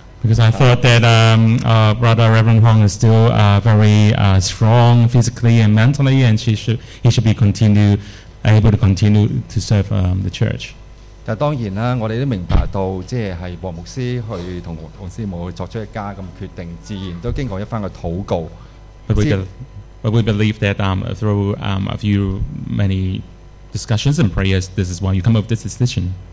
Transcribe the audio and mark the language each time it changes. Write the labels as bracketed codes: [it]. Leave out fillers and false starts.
[en] Because I thought that Brother Reverend Huang is still very strong physically and mentally, and he should be able to continue to serve the church. [yue] 但當然啦，我哋都明白到，即係黃牧師去同黃師母作出一家咁決定，自然都經過一番嘅禱告。 [en] But we believe that through a few many discussions and prayers, this is why you come up with this decision.